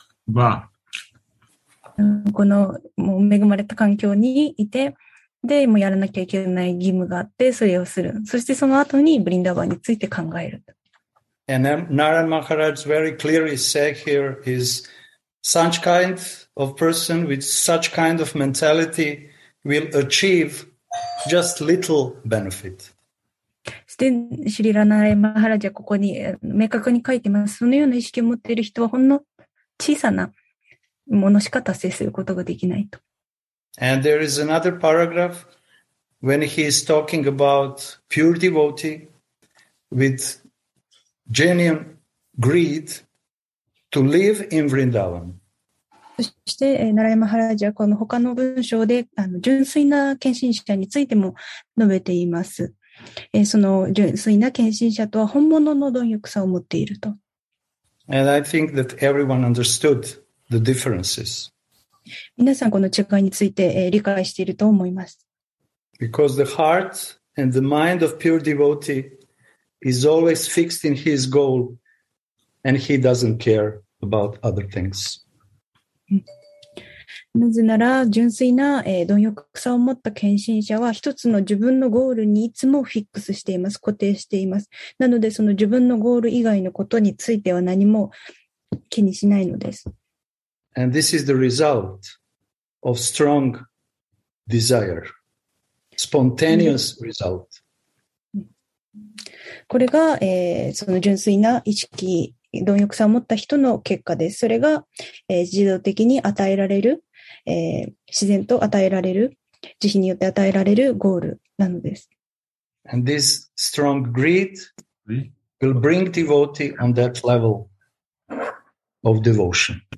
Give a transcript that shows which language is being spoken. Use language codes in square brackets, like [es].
[en] Wow. [ja] このもう恵まれた環境にいて、でもやらなきゃいけない義務があってそれをする。そしてその後にブリンダーバンについて考える。 [en] And Narayan Maharaj very clearly said here is such kind of person with such kind of mentality will achieve just little benefit. [ja] そして、シリラ・ナラヤン・マハラジはここに明確に書いてます。そのような意識を持っている人はほんの小さなものしか達成することができないと。 [en] And there is another paragraph when he is talking about pure devotee with genuine greed to live in Vrindavan. [ja] そして、ナラヤマハラジはこの他の文章で、純粋な献身者についても述べています。その純粋な献身者とは本物の貪欲さを持っていると。 [en] And I think that everyone understood the differences. [ja] 皆さんこの違いについて、理解していると思います。 [en] Because the heart and the mind of pure devotee is always fixed in his goal and he doesn't care about other things. [ja] なぜなら純粋な、貪欲さを持った献身者は一つの自分のゴールにいつもフィックスしています、固定しています。なのでその自分のゴール以外のことについては何も気にしないのです。 [en] And this is the result of strong desire. Spontaneous result. [ja] これが、その純粋な意識、貪欲さを持った人の結果です。それが、自動的に与えられる、自然と与えられる、慈悲によって与えられるゴールなのです。 [en] And this strong greed will bring devotee on that level of devotion.